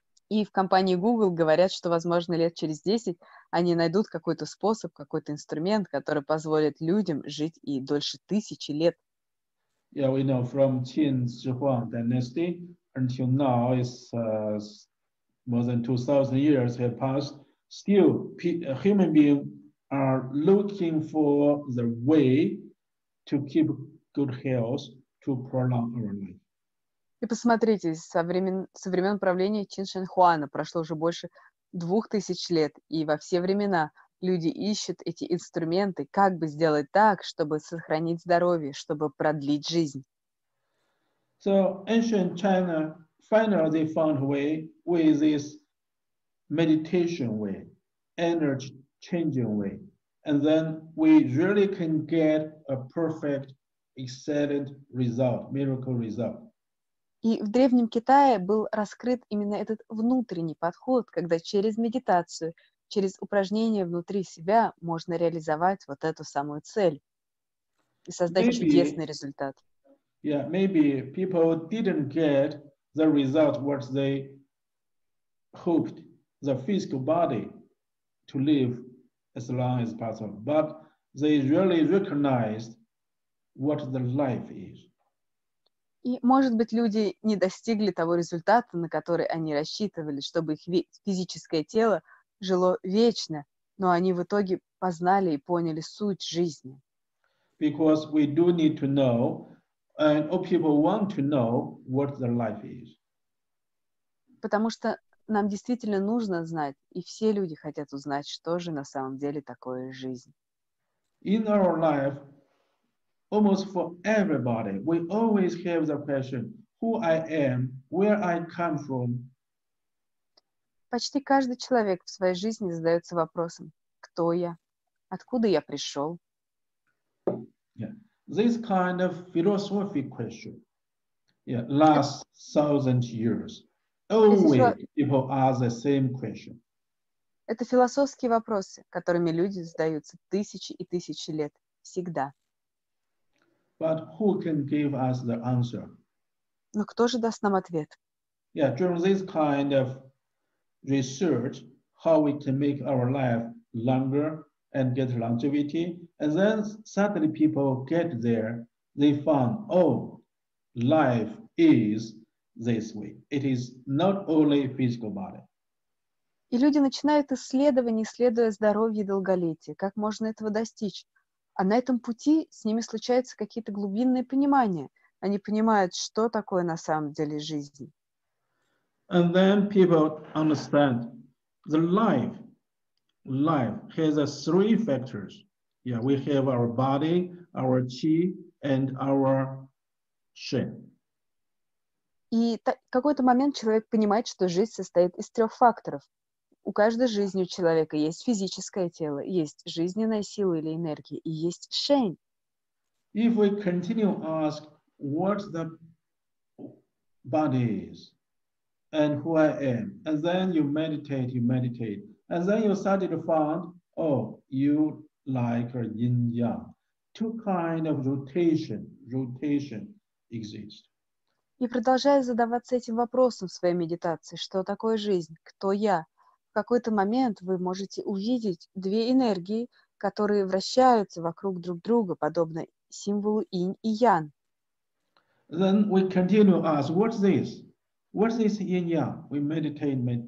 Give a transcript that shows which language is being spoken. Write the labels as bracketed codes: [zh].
[ru] И в компании Google говорят, что, возможно, лет через 10 они найдут какой-то способ, какой-то инструмент, который позволит людям жить и дольше 1,000 лет. [en] Yeah, we know from Qin Shi Huang dynasty until now is more than 2,000 years have passed. Still, human beings are looking for the way to keep good health, to prolong our life. [ru] И посмотрите, со времен правления Чин Шэнь Хуана прошло уже больше 2000 лет, и во все времена люди ищут эти инструменты, как бы сделать так, чтобы сохранить здоровье, чтобы продлить жизнь. [en] So ancient China finally they found a way with this meditation way, energy changing way, and then we really can get a perfect, excellent result, miracle result. [ru] И в Древнем Китае был раскрыт именно этот внутренний подход, когда через медитацию, через упражнения внутри себя можно реализовать вот эту самую цель и создать [en] maybe, [ru] чудесный результат. [en] Yeah, maybe people didn't get the result what they hoped, the physical body to live as long as possible, but they really recognized what the life is. [ru] И, может быть, люди не достигли того результата, на который они рассчитывали, чтобы их физическое тело жило вечно, но они в итоге познали и поняли суть жизни. [en] Because we do need to know, and people want to know what their life is. [ru] Потому что нам действительно нужно знать, и все люди хотят узнать, что же на самом деле такое жизнь. [en] In our life, almost for everybody, we always have the question, who I am, where I come from. [ru] Почти каждый человек в своей жизни задается вопросом, кто я, откуда я пришел. [en] Yeah. This kind of philosophic question, yeah, last 1,000 years, always people ask the same question. [ru] Это философские вопросы, которыми люди задаются тысячи и тысячи лет, всегда. [en] But who can give us the answer? [ru] Но кто же даст нам ответ? [en] Yeah, during this kind of research, how we can make our life longer and get longevity, and then suddenly people get there, they found, oh, life is this way. It is not only physical body. [ru] И люди начинают исследование, исследуя здоровье и долголетие. Как можно этого достичь? А на этом пути с ними случаются какие-то глубинные понимания. Они понимают, что такое на самом деле жизнь. [en] And then people understand the life. Life has three factors. Yeah, we have our body, our qi, and our shen. [ru] И в какой-то момент человек понимает, что жизнь состоит из трех факторов. У каждой жизни у человека есть физическое тело, есть жизненная сила или энергия, и есть шень. [en] If we continue to ask what the body is and who I am, and then you meditate, and then you started to find, oh, you like yin yang. Two kind of rotation exist. [ru] И продолжая задаваться этим вопросом в своей медитации, что такое жизнь, кто я? В какой-то момент вы можете увидеть две энергии, которые вращаются вокруг друг друга, подобно символу инь и ян. [en] Then we continue to ask, what's this? What's this yin yang? We meditate.